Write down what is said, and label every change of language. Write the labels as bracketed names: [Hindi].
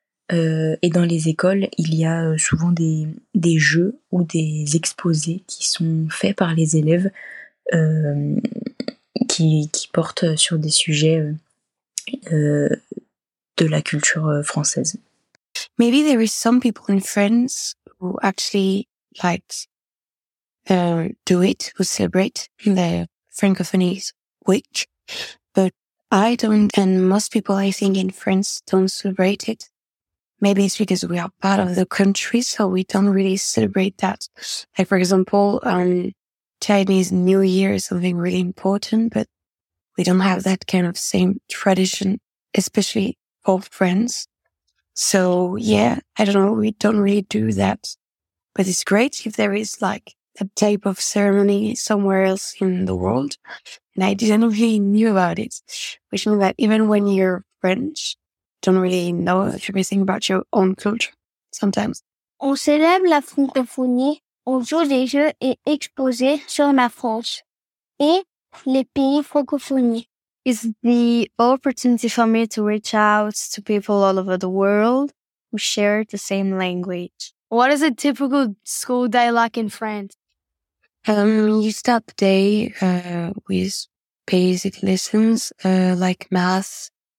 [French] Et dans les écoles, il y a souvent des jeux ou des exposés qui sont faits par les élèves qui portent sur des sujets de la culture française. [English] Maybe there is some people in France who actually like do it, who celebrate the Francophonie week, but I don't, and most people I think in France don't celebrate it. Maybe it's because we are part of the country, so we don't really celebrate that. Like, for example, Chinese New Year is something really important, but we don't have that kind of same tradition, especially for France. So, yeah, I don't know, we don't really do that. But it's great if there is, like, a type of ceremony somewhere else in the world. And I didn't really knew about it, which means that even when you're French, don't really know everything about your own culture sometimes. [French] On célèbre la francophonie au jour des jeux et exposés sur la France et les pays francophones. [English] It's the opportunity for me to reach out to people all over the world who share the same language. What is a typical school day like in France? You start the day with basic lessons like math,